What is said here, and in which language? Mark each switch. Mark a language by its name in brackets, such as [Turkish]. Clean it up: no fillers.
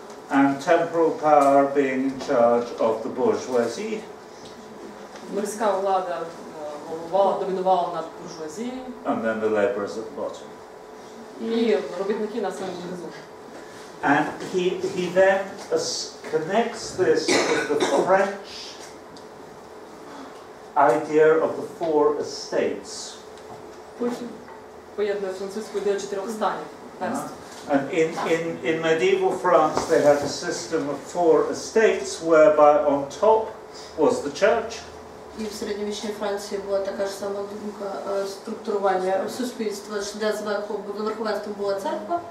[English] and temporal power being in charge of the bourgeoisie. [Ukrainian] Морська влада домінувала над буржуазією. [English] And then the laborers at the bottom. [Ukrainian] І робітники на самому низу. [English] And he then connects this with the French idea of the four estates. [Ukrainian] Потім поєднує французьку ідею чотирьох станів. [English] And in medieval France they had a system of four estates whereby on top was the church. [Ukrainian] І в середньовічній Франції була така ж сама думка структурування суспільства, що де зверху було верховенство була церква.